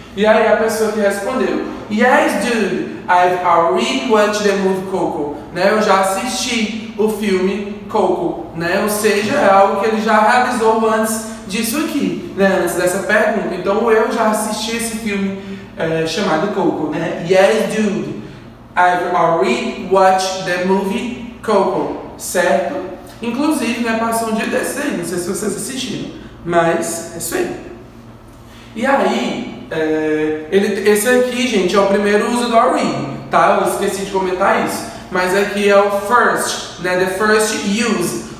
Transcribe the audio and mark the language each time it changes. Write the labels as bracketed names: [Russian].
[Portuguese] E aí a pessoa que respondeu, [English] yes, dude, I've already watched the movie Coco. [Portuguese] Né? Eu já assisti o filme Coco. Né? Ou seja, é algo que ele já realizou antes disso aqui, né? Antes dessa pergunta. Então eu já assisti esse filme chamado Coco. Né? [English] Yes, dude, I've already watched the movie Coco. [Portuguese] Certo? Inclusive, né, passou um dia desse aí, não sei se vocês assistiram, mas é isso aí. E aí, esse aqui, gente, é o primeiro uso do are we, tá? Eu esqueci de comentar isso. Mas aqui é o first, né, [English] the first use.